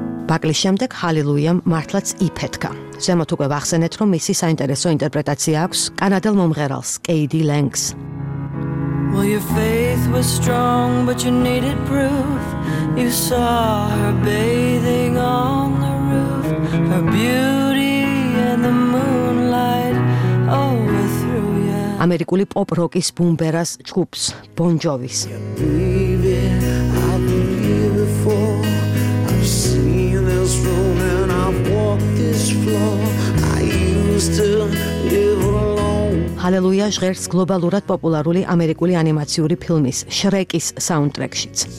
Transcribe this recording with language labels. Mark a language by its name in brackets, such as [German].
[Georgian] Buckley-ის შემდეგ Halleluja-მ მართლაც იფეთქა. ზემოთ უკვე ვახსენეთ, რომ მისი საინტერესო ინტერპრეტაცია აქვს კანადელ მომღერალს, კეიდი ლენგს. [English] Well, your faith was strong, but you needed proof. You saw her bathing on the roof. Her beauty and the moonlight overthrew you. [Georgian] ამერიკული პოპ-როკის ბუმბერას ჯგუფს, Bon Jovi-ს. Halleluja ჟღერს გლობალურად პოპულარული ამერიკული ანიმაციური ფილმის Shrek-ის საუნდტრეკშიც.